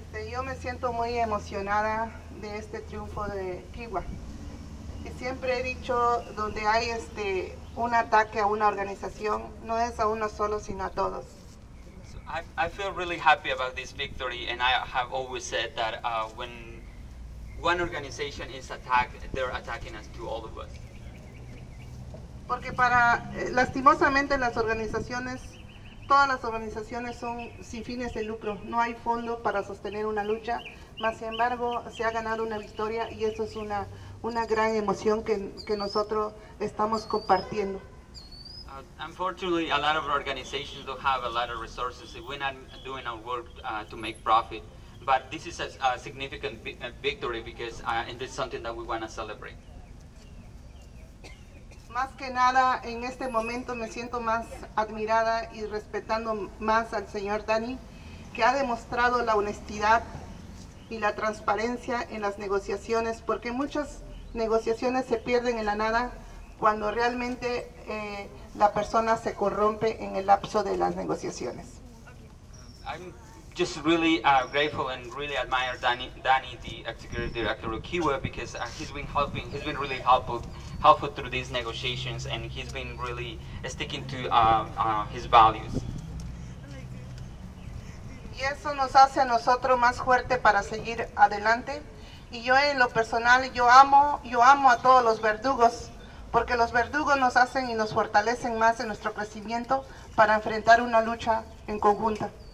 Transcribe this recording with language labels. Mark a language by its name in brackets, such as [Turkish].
[Spanish] Yo me siento muy emocionada de este triunfo de Kiwa. Y siempre he dicho, donde hay un ataque a una organización, no es a uno solo, sino a todos. [English] So I feel really happy about this victory, and I have always said that when one organization is attacked, they're attacking us to all of us. [Spanish] Porque para, lastimosamente, las organizaciones, todas las organizaciones son sin fines de lucro, no hay fondo para sostener una lucha, mas sin embargo se ha ganado una victoria, y eso es una gran emoción que nosotros estamos compartiendo. [English] Unfortunately, a lot of organizations don't have a lot of resources. We're not doing our work to make profit, but this is a significant victory because and it's something that we want to celebrate. [Spanish] Más que nada, en este momento me siento más admirada y respetando más al señor Dani, que ha demostrado la honestidad y la transparencia en las negociaciones, porque muchas negociaciones se pierden en la nada cuando realmente la persona se corrompe en el lapso de las negociaciones. [English] Just really grateful and really admire Danny, the executive director of Kiwa, because he's been really helpful through these negotiations, and he's been really sticking to his values. [Spanish] Y eso nos hace a nosotros más fuerte para seguir adelante, Y yo en lo personal, yo amo a todos los verdugos, porque los verdugos nos hacen y nos fortalecen más en nuestro crecimiento para enfrentar una lucha en conjunta.